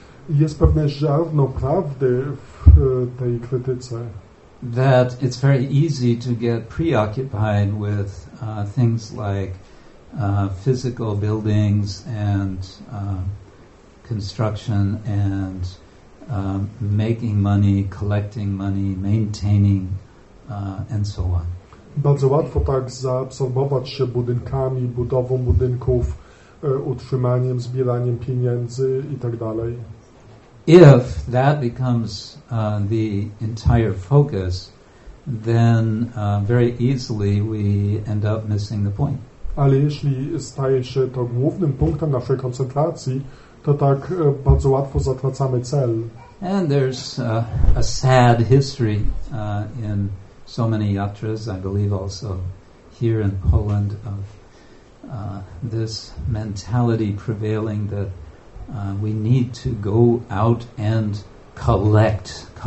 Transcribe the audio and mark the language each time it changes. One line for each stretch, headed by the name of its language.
Polish: Jest pewne ziarno prawdy w tej krytyce.
English: That it's very easy to get preoccupied with things like physical buildings and construction and making money, collecting money, maintaining. And so on.
Polish: Bardzo łatwo tak zaabsorbować się budynkami, budową budynków, utrzymaniem, zbieraniem pieniędzy i tak dalej.
English: if that becomes the entire focus, then very easily we end up missing the point.
Polish: Ale jeśli staje się to głównym punktem naszej koncentracji, to tak bardzo łatwo zatracamy cel.
English: And there's a sad history in so many yatras, I believe also here in Poland, of this mentality prevailing that we need to go out and collect.